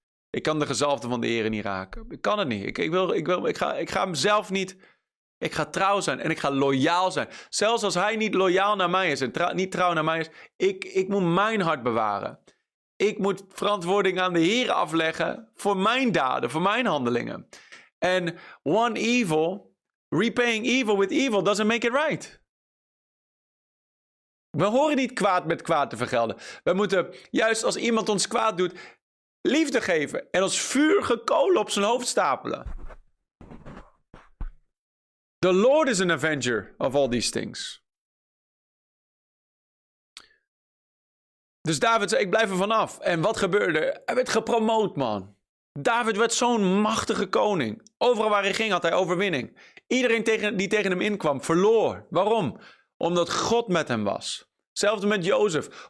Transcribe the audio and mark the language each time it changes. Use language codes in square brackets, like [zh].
[nl] Ik kan de gezalfde van de Heer niet raken. Ik kan het niet. Ik ga hem zelf niet. Ik ga trouw zijn en ik ga loyaal zijn. Zelfs als hij niet loyaal naar mij is en niet trouw naar mij is. Ik moet mijn hart bewaren. Ik moet verantwoording aan de Heer afleggen voor mijn daden, voor mijn handelingen. [en] En one evil, repaying evil with evil, doesn't make it right. [nl] We horen niet kwaad met kwaad te vergelden. We moeten juist als iemand ons kwaad doet, liefde geven en als vuurige kolen op zijn hoofd stapelen. [en] The Lord is an avenger of all these things. [nl] Dus David zei, ik blijf er vanaf. En wat gebeurde? Hij werd gepromoot, man. David werd zo'n machtige koning. Overal waar hij ging, had hij overwinning. Iedereen die tegen hem inkwam, verloor. Waarom? Omdat God met hem was. Hetzelfde met Jozef.